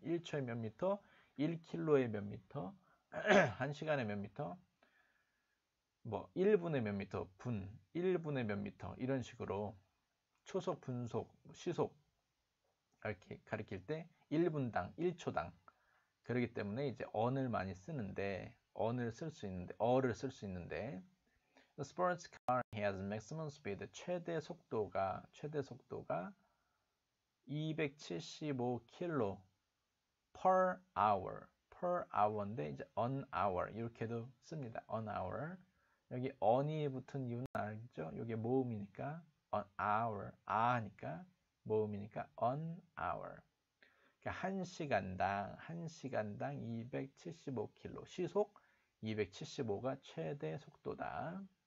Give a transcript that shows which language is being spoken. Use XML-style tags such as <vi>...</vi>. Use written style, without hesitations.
<ko>1초에 몇 미터, 1킬로에 몇 미터, 1시간에 몇 미터, 뭐 1분에 몇 미터, 분, 1분에 몇 미터 이런 식으로 초속, 분속, 시속 이렇게 가리킬 때 1분당, 1초당. 그렇기 때문에 이제 언을 많이 쓰는데, 언을 쓸수 있는데, 어를 쓸수 있는데,</ko> <en>The sports car has maximum speed.</en> <ko>최대 속도가 275km per hour, per hour인데 이제 an hour 이렇게도 씁니다. an hour 여기 an이 붙은 이유는 알죠? 이게 모음이니까 an hour, 아니까 모음이니까 an hour. 그러니까 한 시간당 275km 시속 275가 최대 속도다.</ko>